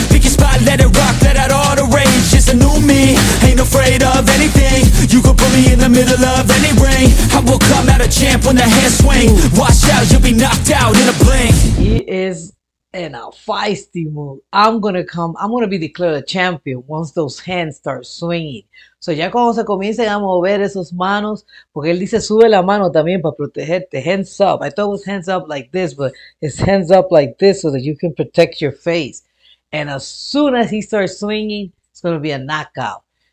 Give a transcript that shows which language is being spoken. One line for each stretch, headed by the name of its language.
English: Pick your spot, let it rock, let out all the rage. It's a new me, ain't afraid of anything. You could put me in the middle of any ring. I will come out a champ when the hands swing. Watch out, you'll be knocked out in a blink. He is in a feisty mood. I'm gonna be declared a champion once those hands start swinging.
Spanish: So ya cuando se comiencen a mover esos manos, porque él dice sube la mano también para protegerte,
English: hands up. I thought it was hands up like this, but it's hands up like this so that you can protect your face. And as soon as he starts swinging, it's going to be a knockout.